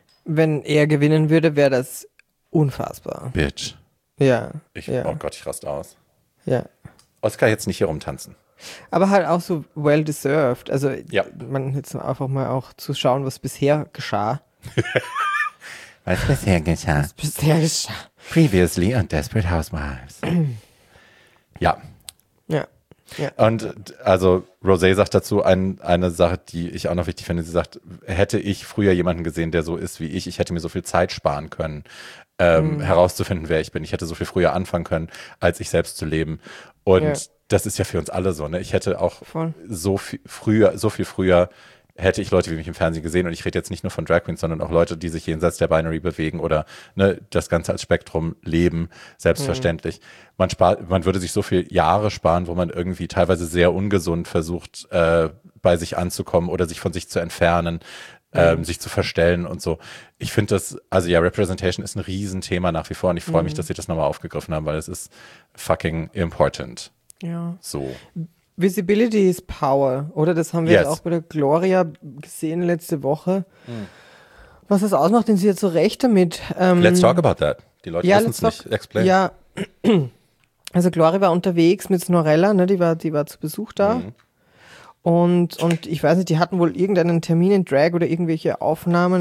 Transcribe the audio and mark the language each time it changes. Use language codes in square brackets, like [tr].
[de] Wenn er gewinnen würde, wäre das unfassbar. [en] Bitch. [de] Ja. Oh Gott, ich raste aus. Ja. Oscar jetzt nicht hier rumtanzen. Aber halt auch so [en] well deserved. [de] Also man jetzt einfach mal auch zu schauen, was bisher geschah. Was bisher geschah? Was bisher geschah? [en] Previously on Desperate Housewives. [de] Ja. Ja. Ja. Und also Rosé sagt dazu eine Sache, die ich auch noch wichtig finde. Sie sagt, hätte ich früher jemanden gesehen, der so ist wie ich hätte mir so viel Zeit sparen können, herauszufinden, wer ich bin. Ich hätte so viel früher anfangen können, als ich selbst zu leben. Und das ist ja für uns alle so. Ne? Ich hätte auch so viel früher hätte ich Leute wie mich im Fernsehen gesehen. Und ich rede jetzt nicht nur von Drag Queens, sondern auch Leute, die sich jenseits der Binary bewegen oder ne, das Ganze als Spektrum leben, selbstverständlich. Mhm. Man würde sich so viel Jahre sparen, wo man irgendwie teilweise sehr ungesund versucht, bei sich anzukommen oder sich von sich zu entfernen, sich zu verstellen und so. Ich finde das, also ja, Representation ist ein Riesenthema nach wie vor. Und ich freue mich, dass sie das nochmal aufgegriffen haben, weil es ist [en] fucking important. [de] Ja. So. [en] Visibility is power, [de] oder? Das haben wir jetzt auch bei der Gloria gesehen letzte Woche. Mhm. Was das ausmacht, denn sie hat so recht damit. [en] Let's talk about that. [de] Die Leute müssen es nicht explain. Ja, also Gloria war unterwegs mit Snorella, ne? Die war zu Besuch da. Mhm. Und ich weiß nicht, die hatten wohl irgendeinen Termin in Drag oder irgendwelche Aufnahmen.